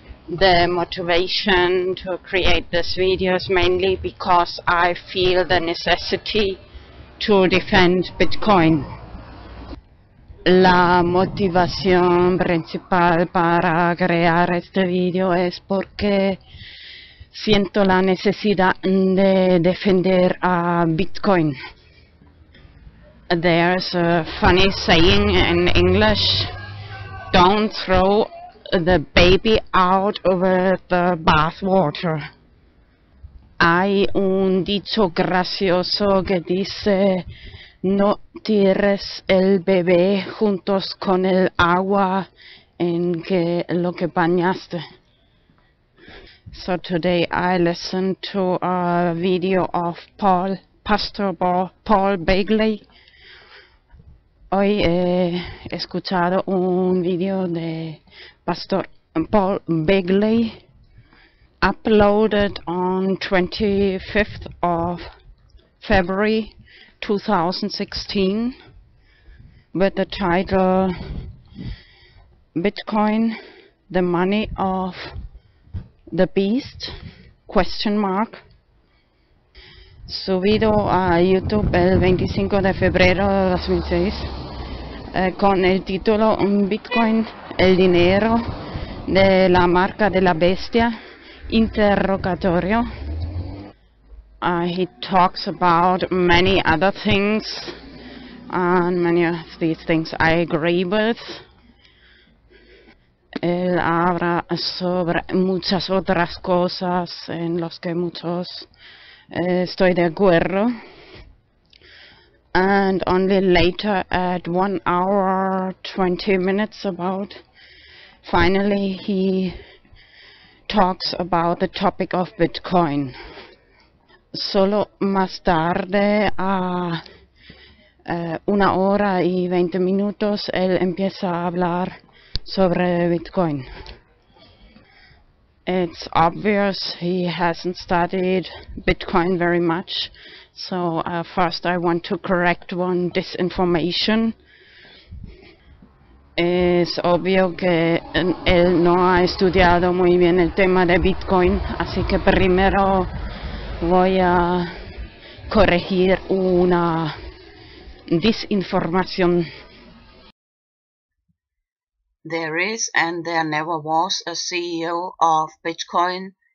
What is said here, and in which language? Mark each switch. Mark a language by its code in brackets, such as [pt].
[en] The motivation to create this video is mainly because I feel the necessity to defend Bitcoin. [es] La motivación principal para crear este video es porque siento la necesidad de defender a Bitcoin. [en] There's a funny saying in English, don't throw the baby out with the bathwater. [es] Hay un dicho gracioso que dice, no tires el bebé juntos con el agua en que lo que bañaste. [en] So today I listened to a video of Pastor Paul Bagley. [es] Hoy he escuchado un video de [en] Pastor Paul Bagley uploaded on 25th of February 2016 with the title Bitcoin, the money of the beast? Question mark. [es] Subido a YouTube el 25 de febrero de 2006 con el título Bitcoin, el dinero de la marca de la bestia, interrogatorio. [en] He talks about many other things, and many of these things I agree with. [es] Él habla sobre muchas otras cosas en las que muchos estoy de acuerdo. [en] And only later at 1 hour 20 minutes about, finally he talks about the topic of Bitcoin. [es] Solo más tarde a 1 hora y 20 minutos él empieza a hablar sobre Bitcoin. [en] It's obvious he hasn't studied Bitcoin very much, so first I want to correct one disinformation. [es] Es obvio que él no ha estudiado muy bien el tema de Bitcoin, así que primero voy a corregir una disinformación. [en] There is and there never was a CEO of Bitcoin.